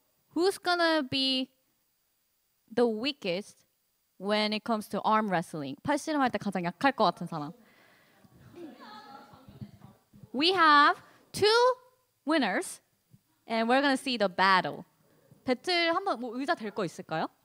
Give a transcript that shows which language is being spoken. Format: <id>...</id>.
<en>Who's gonna be the weakest when it comes to arm wrestling?</en> <ko>팔씨름할 때 가장 약할 것 같은 사람.</ko> <en>We have two winners and we're gonna see the battle.</en> <ko>배틀 한번 뭐 의자 될 거 있을까요?</ko>